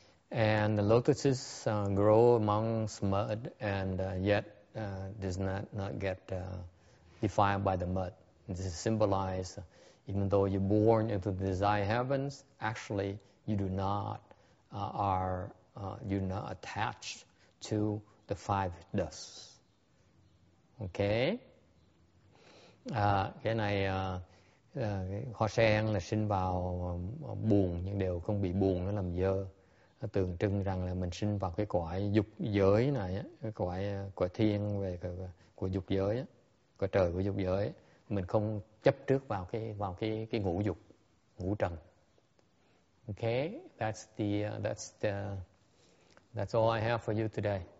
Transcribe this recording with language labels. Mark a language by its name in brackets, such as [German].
[English] And the lotuses grow amongst mud and yet does not get defiled by the mud. This is symbolized, even though you're born into the desire heavens, actually you do not you're not attached to the five dusts. Okay? [Vietnamese] Cái này hoa sen là sinh vào buồn nhưng đều không bị buồn nó làm dơ. Nó tượng trưng rằng là mình sinh vào cái cõi dục giới này, cái cõi cõi thiên về của dục giới, cõi trời của dục giới, mình không chấp trước vào cái ngũ dục, ngũ trần. [English] Okay, that's all I have for you today.